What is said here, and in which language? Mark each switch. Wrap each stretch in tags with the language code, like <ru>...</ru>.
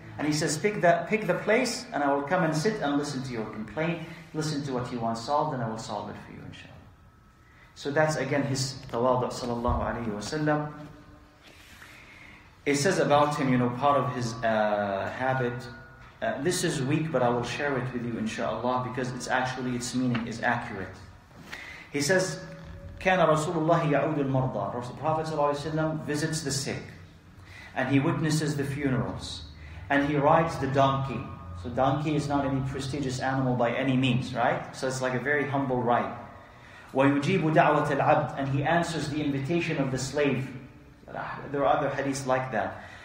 <en>And he says, pick the place and I will come and sit and listen to your complaint, listen to what you want solved, and I will solve it for you, inshallah. So that's again his tawadu sallallahu alayhi wa sallam. It says about him, you know, part of his habit. This is weak, but I will share it with you, inshallah, because its meaning is accurate. He says,</en> <ar>كَانَ رَسُولُ اللَّهِ يَعُودُ الْمَرْضَى.</ar> <en>The Prophet ﷺ visits the sick, and he witnesses the funerals, and he rides the donkey. So donkey is not any prestigious animal by any means, right? So it's like a very humble ride.</en> <ar>وَيُجِيبُ دَعْوَةَ الْعَبْدِ.</ar> <en>And he answers the invitation of the slave. There are other hadiths like that.</en>